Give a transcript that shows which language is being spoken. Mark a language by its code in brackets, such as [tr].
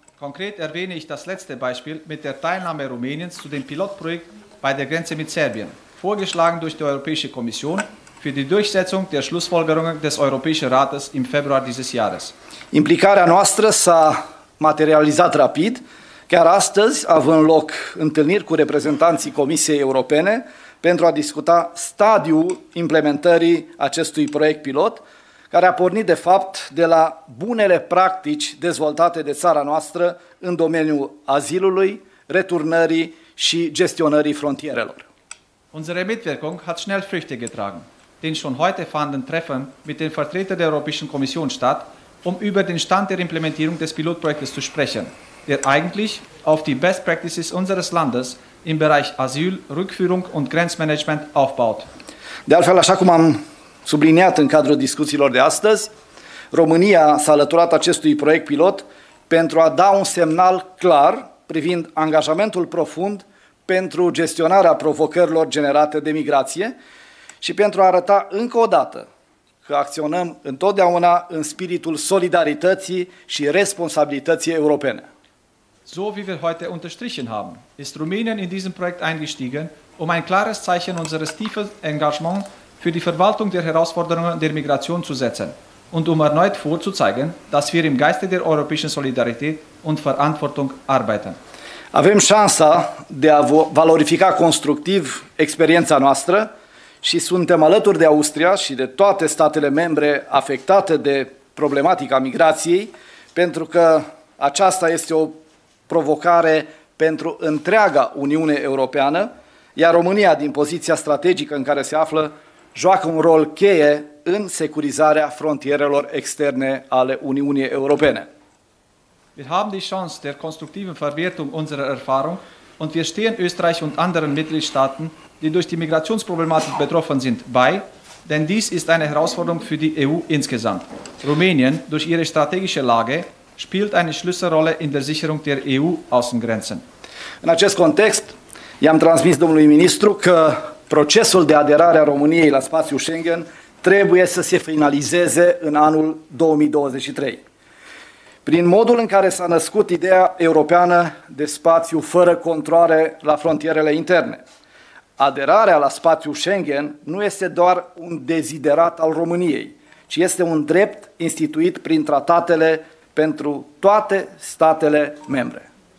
[de] Konkret erwähne ich das letzte Beispiel mit der Teilnahme Rumäniens zu dem Pilotprojekt bei der Grenze mit Serbien, vorgeschlagen durch die Europäische Kommission für die Durchsetzung der Schlussfolgerungen des Europäischen Rates im Februar dieses Jahres. [ro] Implicarea noastră s-a materializat rapid, chiar astăzi având loc întâlniri cu reprezentanții Comisiei Europene pentru a discuta stadiul implementării acestui proiect pilot, care a pornit de fapt de la bunele practici dezvoltate de țara noastră în domeniul azilului, returnării și gestionării frontierelor. [de] Unsere Mitwirkung hat schnell Früchte getragen. Den schon heute fanden Treffen mit den Vertretern der Europäischen Kommission statt, um über den Stand der Implementierung des Pilotprojektes zu sprechen, der eigentlich auf die Best Practices unseres Landes im Bereich Asyl, Rückführung und Grenzmanagement aufbaut. [ro] De altfel, așa cum am subliniat în cadrul discuțiilor de astăzi, România s-a alăturat acestui proiect pilot pentru a da un semnal clar privind angajamentul profund pentru gestionarea provocărilor generate de migrație și pentru a arăta încă o dată că acționăm întotdeauna în spiritul solidarității și responsabilității europene. [de] So wie wir heute unterstrichen haben, ist Rumänien in diesem Projekt eingestiegen, um ein klares Zeichen unseres tiefen Engagements für die Verwaltung der Herausforderungen der Migration zu setzen und um erneut vorzuzeigen, dass wir im Geiste der europäischen Solidarität und Verantwortung arbeiten. [ro] Avem șansa de a valorifica constructiv experiența noastră și suntem alături de Austria și de toate statele membre afectate de problematica migrației, pentru că aceasta este o provocare pentru întreaga Uniune Europeană, iar România, din poziția strategică în care se află, joacă un rol cheie în securizarea frontierelor externe ale Uniunii Europene. [de] Wir haben die Chance der konstruktiven Verwertung unserer Erfahrung und wir stehen Österreich und anderen Mitgliedstaaten, die durch die Migrationsproblematik betroffen sind, bei, denn dies ist eine Herausforderung für die EU insgesamt. Rumänien, durch ihre strategische Lage, spielt eine Schlüsselrolle in der Sicherung der EU-Außengrenzen. [ro] În acest context, i-am transmis domnului ministru că procesul de aderare a României la spațiul Schengen trebuie să se finalizeze în anul 2023. Prin modul în care s-a născut ideea europeană de spațiu fără controle la frontierele interne, aderarea la spațiul Schengen nu este doar un deziderat al României, ci este un drept instituit prin tratatele pentru toate statele membre.